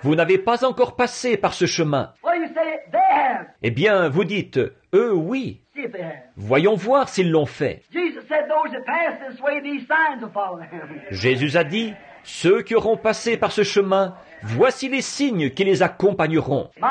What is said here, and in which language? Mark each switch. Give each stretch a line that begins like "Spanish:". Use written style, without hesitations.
French: Vous n'avez pas encore passé par ce chemin.
English: Well, you say they have.
French: Eh bien, vous dites, eux, oui.
English: See if they have.
French: Voyons voir s'ils l'ont fait.
English: Jesus said those that pass this way, these signs will follow them.
French: Jésus a dit, ceux qui auront passé par ce chemin, voici les signes qui les accompagneront.